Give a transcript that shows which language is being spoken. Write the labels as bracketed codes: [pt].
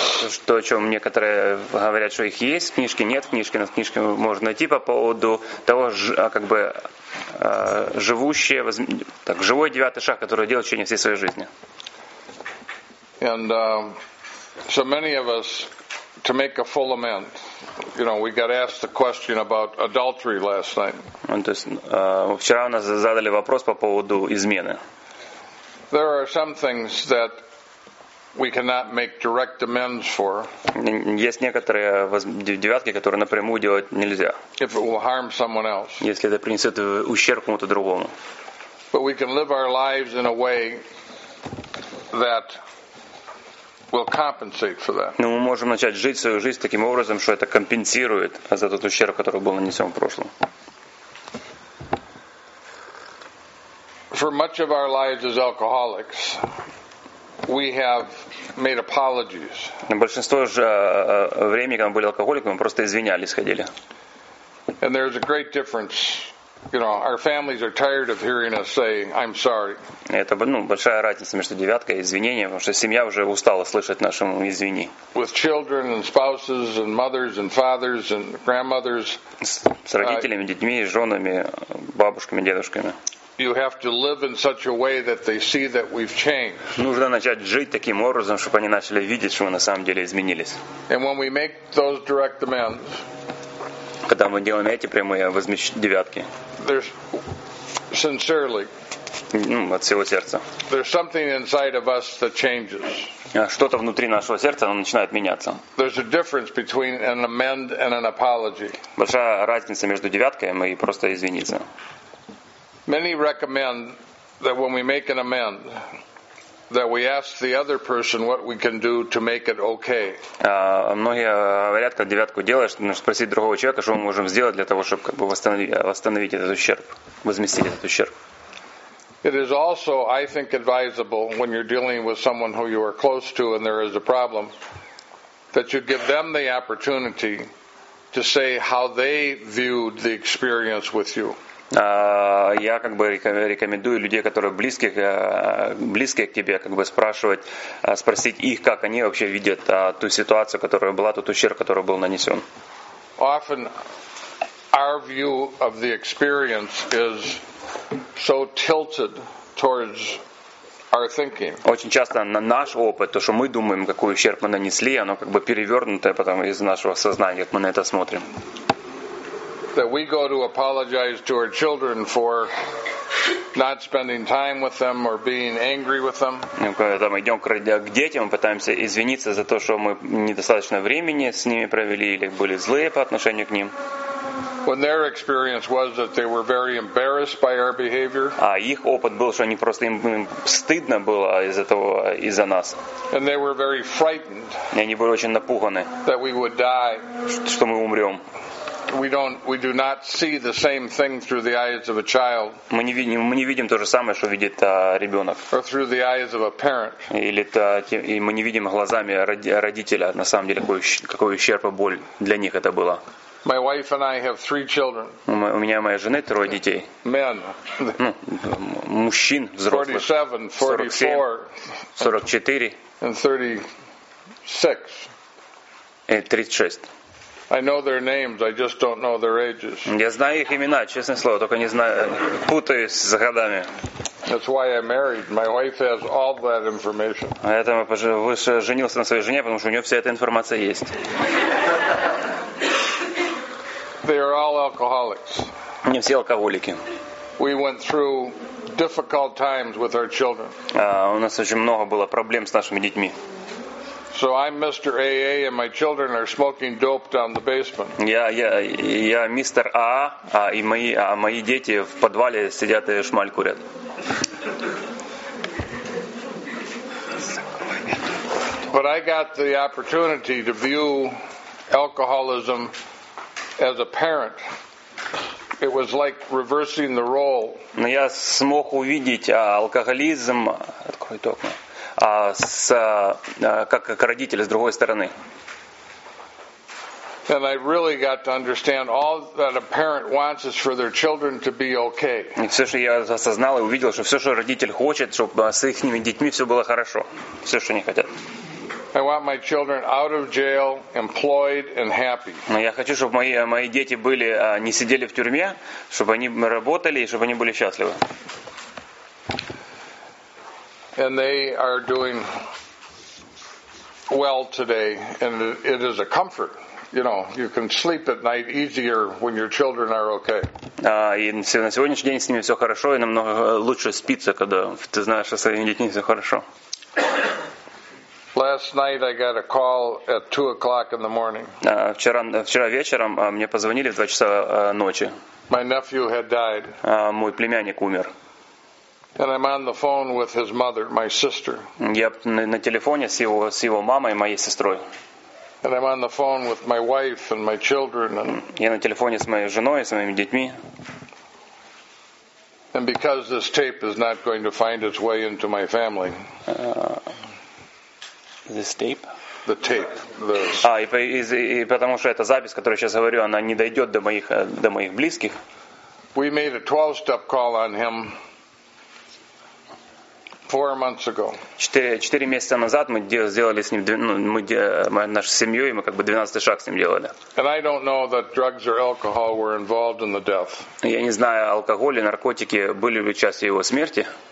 [ru] Что, о чем некоторые говорят, что их есть в книжке, нет в книжке, но в книжке можно найти по поводу того, как бы живой девятый шаг, который делал в течение всей своей жизни. [en] And so many of us, to make a full amend, you know, we got asked the question about adultery last night. [ru] То есть вчера у нас задали вопрос по поводу измены. [en] There are some things that we cannot make direct amends for. [ru] Есть некоторые девятки, которые напрямую делать нельзя. [en] If it will harm someone else. [ru] Если это принесет ущерб кому-то другому. [en] But we can live our lives in a way that will compensate for that. [ru] Но мы можем начать жить свою жизнь таким образом, что это компенсирует за тот ущерб, который был нанесен в прошлом. [en] For much of our lives as alcoholics, we have made apologies. [ru] На большинство же времени, когда мы были алкоголиками, мы просто извинялись, ходили. [en] And there's a great difference. You know, our families are tired of hearing us say, "I'm sorry." [ru] Это большая разница между девяткой и извинением, потому что семья уже устала слышать нашим извини. [en] With children and spouses and mothers and fathers and grandmothers. [ru] С родителями, детьми, женами, бабушками, дедушками. [en] You have to live in such a way that they see that we've changed. [ru] Нужно начать жить таким образом, чтобы они начали видеть, что мы на самом деле изменились. [en] And when we make those direct demands. [ru] Когда мы делаем эти прямые девятки. [en] There's sincerely. [ru] От всего сердца. [en] There's something inside of us that changes. [ru] Что-то внутри нашего сердца начинает меняться. [en] There's a difference between an amend and an apology. [ru] Большая разница между девяткой и просто извиниться. [en] Many recommend that when we make an amend, that we ask the other person what we can do to make it okay. [ru] Многие говорят, когда девятку делаешь, нужно спросить другого человека, что мы можем сделать для того, чтобы как бы восстановить этот ущерб, возместить этот ущерб. [en] It is also, I think, advisable when you're dealing with someone who you are close to and there is a problem, that you give them the opportunity to say how they viewed the experience with you. [ru] Я как бы рекомендую людей, которые близкие к тебе, как бы спросить их, как они вообще видят ту ситуацию, которая была, тот ущерб, который был нанесен. [en] Often our view of the experience is so tilted towards our thinking. [ru] Очень часто на наш опыт, то, что мы думаем, какой ущерб мы нанесли, оно как бы перевернутое потом из нашего сознания, как мы на это смотрим. [en] That we go to apologize to our children for not spending time with them or being angry with them. [ru] Когда мы идем к детям, пытаемся извиниться за то, что мы недостаточно времени с ними провели или были злые по отношению к ним. [en] When their experience was that they were very embarrassed by our behavior. [ru] А их опыт был, что они просто им стыдно было из-за нас. [en] And they were very frightened. [ru] И они были очень напуганы. [en] That we would die. [ru] Что мы умрем. [en] we do not see the same thing through the eyes of a child. [ru] Мы не видим то же самое, что видит ребенок. [en] Or through the eyes of a parent. [ru] И мы не видим глазами родителя, на самом деле, какой ущерб и боль для них это было. [en] My wife and I have three children. [ru] У меня и моя жена трое детей. [en] Men. [ru] Мужчин взрослых. [en] 47, 44. [ru] 44. [en] And 36. [ru] И 36. [en] I know their names, I just don't know their ages. [ru] Я знаю их имена, честное слово, только не знаю, путаюсь с годами. [en] That's why I married. My wife has all that information. [ru] Поэтому вы женился на своей жене, потому что у нее вся эта информация есть. [en] They are all alcoholics. [ru] Не все алкоголики. [en] We went through difficult times with our children. [ru] У нас очень много было проблем с нашими детьми. [en] So I'm Mr. AA and my children are smoking dope down the basement. [ru] Я мистер АА, и мои дети в подвале сидят и шмаль курят. [en] But I got the opportunity to view alcoholism as a parent. It was like reversing the role. [ru] Но я смог увидеть алкоголизм. Открой окно. Как родитель с другой стороны. [en] And I really got to understand all that a parent wants is for their children to be okay. [ru] И все, что я осознал и увидел, что все, что родитель хочет, чтобы с их детьми все было хорошо. Все, что они хотят. [en] I want my children out of jail, employed and happy. [ru] Но я хочу, чтобы мои дети были не сидели в тюрьме, чтобы они работали и чтобы они были счастливы. [en] And they are doing well today, and it is a comfort. You know, you can sleep at night easier when your children are okay. [ru] И на сегодняшний день с ними все хорошо, и намного лучше спится, когда ты знаешь, что с твоими детьми все хорошо. [en] Last night I got a call at 2 o'clock in the morning. [ru] Вчера вечером мне позвонили в 2 часа ночи. [en] My nephew had died. [ru] Мой племянник умер. [en] And I'm on the phone with his mother, my sister. [ru] Я на телефоне с его мамой, моей сестрой. [en] And I'm on the phone with my wife and my children. [ru] Я на телефоне с моей женой, с моими детьми. [en] And because this tape is not going to find its way into my family. This tape? The tape. [ru] И потому что эта запись, которую сейчас говорю, она не дойдет до моих близких. [en] We made a 12-step call on him. 4 months ago. [ru] 4 месяца назад мы сделали с ним, мы нашу семью, и мы как бы 12-й шаг с ним делали. [en] And I don't know that drugs or alcohol were involved in the death. [ru] Я не знаю, алкоголь и наркотики были ли частью его смерти.